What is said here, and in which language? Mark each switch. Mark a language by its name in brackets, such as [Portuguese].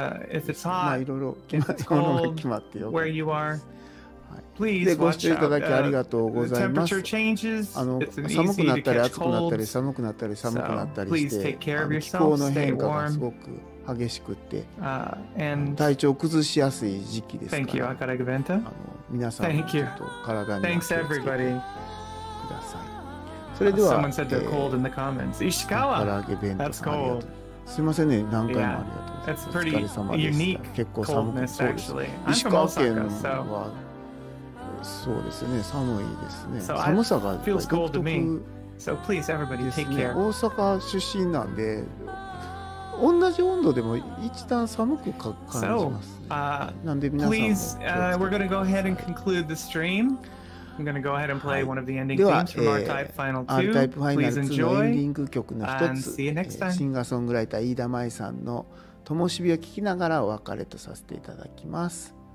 [English] If it's hot, if it's cold, where you are. [Japanese] でご視聴いただきありがとうございます。あの寒くなったり暑くなったり寒くなったり寒くなったりして気候の変化がすごく激しくて体調を崩しやすい時期ですから、あの皆さんちょっと体に気をつけてください。それでは、石川、ありがとうございます。すみませんね、何回もありがとうございます。お疲れ様でした。結構寒くそうです。石川県はそうですね、寒いですね。寒さが独特ですね。大阪出身なんで、同じ温度でも一段寒く感じます、ね。なんで皆さんも。 [English] Please, we're gonna go ahead and conclude the stream. I'm gonna go ahead and play one of the ending themes from Archive Final 2. [Japanese] では、Archive Final 2のエンディング曲の一つ、シンガーソングライター飯田舞さんの灯火を聴きながらお別れとさせていただきます。